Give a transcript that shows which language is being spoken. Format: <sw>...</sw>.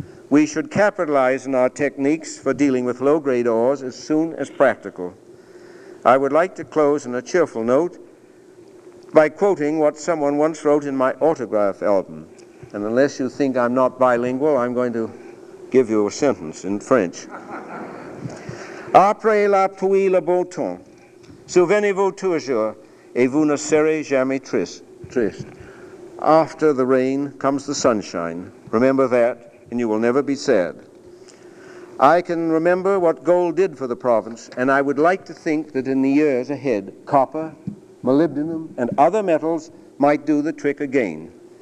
<en>We should capitalize on our techniques for dealing with low-grade ores as soon as practical. I would like to close on a cheerful note by quoting what someone once wrote in my autograph album. And unless you think I'm not bilingual, I'm going to give you a sentence in French.</en> <fr>Après la pluie, le beau temps. Souvenez-vous toujours, et vous ne serez jamais triste.</fr> <en>After the rain comes the sunshine. Remember that, and you will never be sad. I can remember what gold did for the province, and I would like to think that in the years ahead, copper, molybdenum, and other metals might do the trick again.</en>